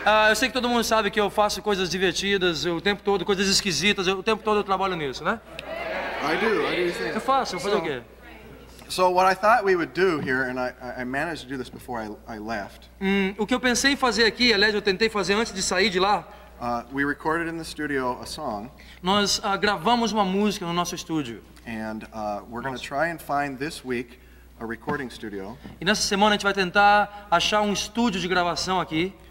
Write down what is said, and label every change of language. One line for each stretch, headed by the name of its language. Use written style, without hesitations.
Portuguese: Eu sei que todo mundo sabe que eu faço coisas divertidas o tempo todo, coisas esquisitas, o tempo todo eu trabalho nisso, né?
English: I do.
Portuguese: Eu faço, vou fazer o quê?
English: So what I thought we would do here, and I managed to do this before I left.
Portuguese: O que eu pensei em fazer aqui, aliás, eu tentei fazer antes de sair de lá.
English: We recorded in the studio a song.
Portuguese: Nós gravamos uma música no nosso estúdio.
English: And we're going to try and find this week a recording studio.
Portuguese: E nessa semana a gente vai tentar achar estúdio de gravação aqui.